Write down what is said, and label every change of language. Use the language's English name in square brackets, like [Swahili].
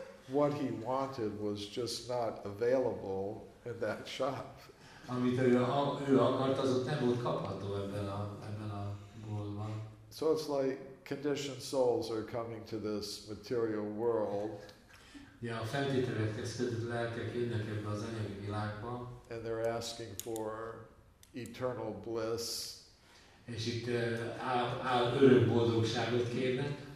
[English] What he wanted was just not available in that shop. [Hungarian] Amit ő akart, az ott nem volt kapható ebben a boltban. [English] So it's like conditioned souls are coming to this material world. [Hungarian] Ja, a feltételezhetetlen lelkek jönnek ebbe az anyagi világba. [English] And they're asking for eternal bliss. [Hungarian] És itt örök boldogságot kérnek.